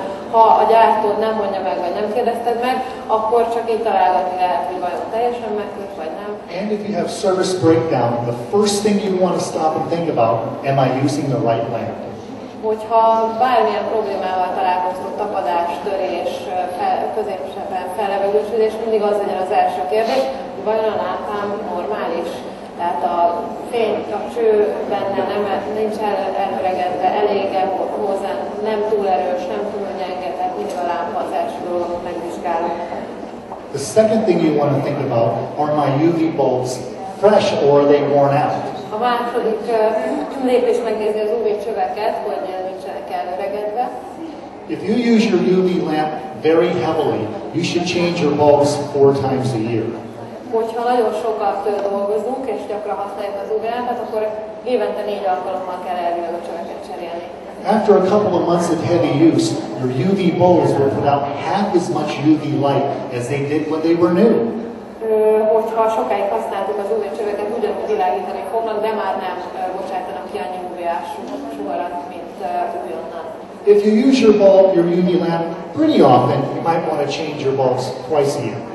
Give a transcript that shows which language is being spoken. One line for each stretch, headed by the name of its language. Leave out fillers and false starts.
Hungarian: Ha a gyártód nem mondja meg, vagy nem kérdezted meg, akkor csak így találgatni lehet, hogy vajon teljesen megkült, vagy nem.
English: And if you have service breakdown, the first thing you want to stop and think about, am I using the right lamp?
Hungarian: Hogyha bármilyen problémával találkoztok, tapadás, törés, középsebben fellevegősödés, mindig az legyen az első kérdés, hogy vajon a lámpám normális? Tehát a fény, a cső benne nem, nincs elöregedve, elég hozzá, nem túl erős, nem túl gyenge, tehát mindig a lámpa az első dolog, megvizsgálunk.
English: The second thing you want to think about are my UV bulbs fresh or are they worn out?
Hungarian: A második lépés megnézni az UV csöveket, hogy nincsenek elöregedve.
English: If you use your UV lamp very heavily, you should change your bulbs 4 times a year.
Hungarian: Hogyha nagyon sokat dolgozunk és gyakran használjuk az UV-lámpát, akkor évente 4 alkalommal kell elvileg a csöveket cserélni.
English: After a couple of months of heavy use, your UV bulbs will put out half as much UV light as they did when they were new.
Hungarian: Hogyha sokáig használtuk az UV csöveket, ugyanúgy világítani fognak, de már nem bocsájtanak ki annyi UV-ás sugarat, mint újonnan.
English: If you use your bulb, your UV lamp, pretty often, you might want to change your bulbs twice a year.